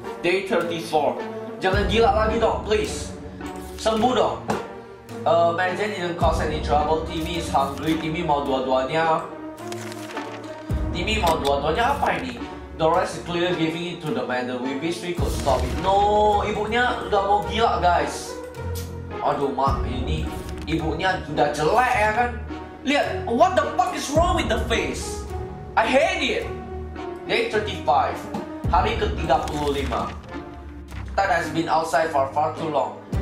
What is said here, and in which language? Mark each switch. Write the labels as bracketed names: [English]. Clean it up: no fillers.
[Indonesian] Day 34. Jangan gila lagi dong, please. Sembuh dong. [English] Mary Jane didn't cause any trouble. Timmy is hungry. [Indonesian] Timmy mau dua-duanya. Timmy mau dua-duanya apa ini? [English] Dolores is clearly giving it to the man. We wish we could stop it. [Indonesian] No, ibunya udah mau gila, guys. Aduh, mak, ini ibunya udah jelek ya kan? [English] Lihat, what the fuck is wrong with the face? I hate it. Day 35. Hari ke-35. Ted has been outside for far too long.